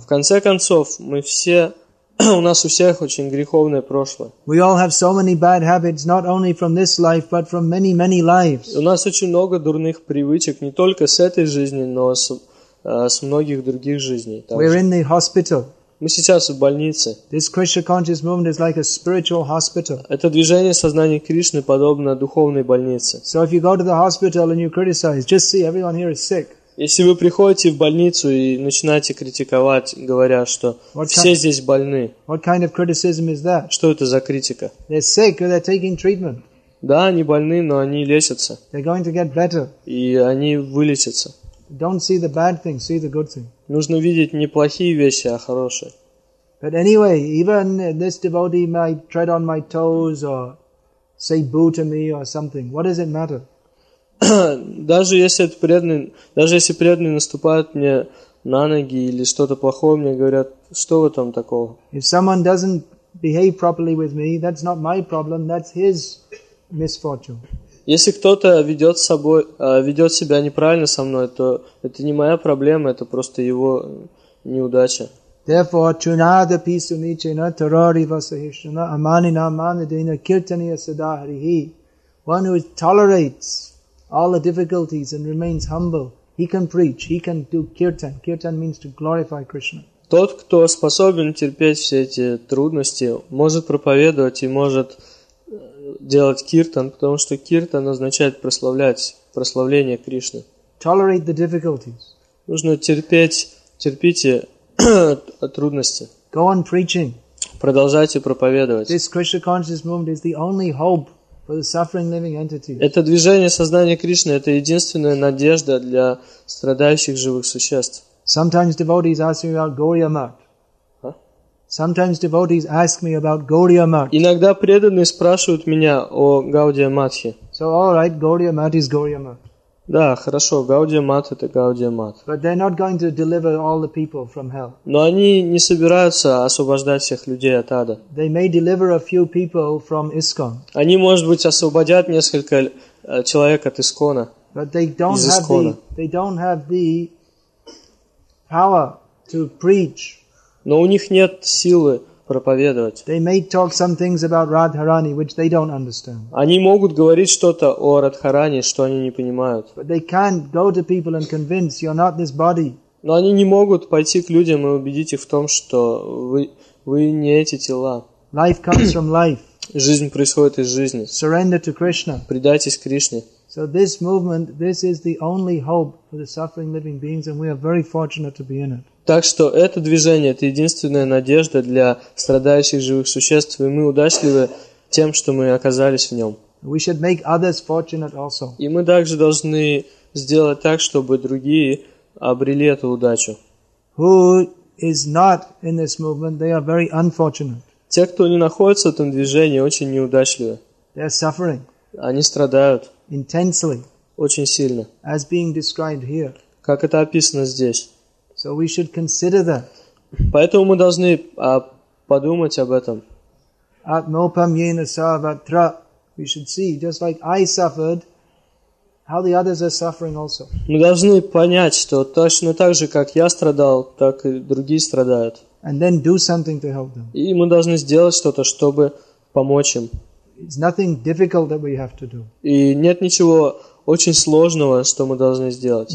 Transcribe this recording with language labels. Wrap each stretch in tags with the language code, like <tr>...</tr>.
<ru>В конце концов, мы все у нас у всех очень греховное прошлое.</ru> <en>We all have so many bad habits, not only from this life, but from many, many lives.</en> <ru>У нас очень много дурных привычек, не только с этой жизни, но с многих других жизней.</ru> <en>We're in the hospital.</en> <ru>Мы сейчас в больнице.</ru> <en>This Krishna conscious movement is like a spiritual hospital.</en> <ru>Это движение сознания Кришны подобно духовной больнице.</ru> <en>So if you go to the hospital and you criticize, just see everyone here is sick.</en> <ru>Если вы приходите в больницу и начинаете критиковать, говоря, что</ru> <en>what</en> <ru>все kind, здесь больны,</ru> <en>what kind of criticism is that?</en> <ru>Что это за критика?</ru> <en>They're sick, or they're taking treatment.</en> <ru>Да, они больны, но они лечатся.</ru> <en>They're going to get better.</en> <ru>И они вылечатся.</ru> <en>Don't see the bad thing, see the good thing.</en> <ru>Нужно видеть не плохие вещи, а хорошие.</ru> <en>But anyway, even this devotee might tread on my toes or say boo to me or something. What does it matter?</en> <ru>Даже если преданные наступают мне на ноги или что-то плохое мне говорят, что в этом такого?</ru> <en>If someone doesn't behave properly with me, that's not my problem, that's his misfortune.</en> <ru>Если кто-то ведет себя неправильно со мной, то это не моя проблема, это просто его неудача.</ru> <sa>Therefore, chunada pisunichi na tarori vasahishna amani na manadina kirtaniya sadahrihi.</sa> <en>One who tolerates all the difficulties and remains humble, he can preach, he can do kirtan. Kirtan means to glorify Krishna.</en> <ru>Тот, кто способен терпеть все эти трудности, может проповедовать и может делать киртан, потому что киртан означает прославление Кришны.</ru> <en>Tolerate the difficulties.</en> <ru>Нужно терпите трудности.</ru> <en>Go on preaching.</en> <ru>Продолжайте проповедовать.</ru> <en>This Krishna consciousness movement is the only hope for the suffering living entities.</en> <ru>Это движение сознания Кришны – это единственная надежда для страдающих живых существ.</ru> <en>Sometimes devotees ask me about Gaudiya Math. Sometimes devotees ask me about Gaudiya Math.</en> <ru>Иногда преданные спрашивают меня о Гаудия Матхе.</ru> <en>So all right, Gaudiya Math is Gaudiya Math.</en> <ru>Да, хорошо, Гаудия Мат это Гаудия Мат.</ru> <en>But they're not going to deliver all the people from hell.</en> <ru>Но они не собираются освобождать всех людей от ада.</ru> <en>They may deliver a few people from ISKCON.</en> <ru>Они, может быть, освободят несколько человек от ИСКОНа.</ru> <en>But they don't have the power to preach.</en> <ru>Но у них нет силы проповедовать.</ru> <en>They may talk some things about Radharani, which they don't understand.</en> <ru>Они могут говорить что-то о Радхаране, что они не понимают.</ru> <en>But they can't go to people and convince you're not this body.</en> <ru>Но они не могут пойти к людям и убедить их в том, что вы не эти тела.</ru> <en>Life comes from life.</en> <ru>Жизнь происходит из жизни.</ru> <en>Surrender to Krishna.</en> <ru>Предайтесь Кришне.</ru> <en>So this movement, this is the only hope for the suffering living beings, and we are very fortunate to be in it.</en> <ru>Так что это движение – это единственная надежда для страдающих живых существ, и мы удачливы тем, что мы оказались в нем.</ru> <en>We should make others fortunate also.</en> <ru>И мы также должны сделать так, чтобы другие обрели эту удачу.</ru> <en>Who is not in this movement, they are very unfortunate.</en> <ru>Те, кто не находится в этом движении, очень неудачливы.</ru> <en>They are suffering.</en> <ru>Они страдают.</ru> <en>Intensely.</en> <ru>Очень сильно.</ru> <en>As being described here.</en> <ru>Как это описано здесь.</ru> <en>So we should consider that.</en> <ru>Поэтому мы должны подумать об этом.</ru> <sa>Atmopam yena sarvatra.</sa> <en>We should see, just like I suffered, how the others are suffering also.</en> <ru>Мы должны понять, что точно так же, как я страдал, так и другие страдают.</ru> <en>And then do something to help them.</en> <ru>И мы должны сделать что-то, чтобы помочь им.</ru> <en>It's nothing difficult that we have to do.</en> <ru>И нет ничего очень сложного, что мы должны сделать.</ru>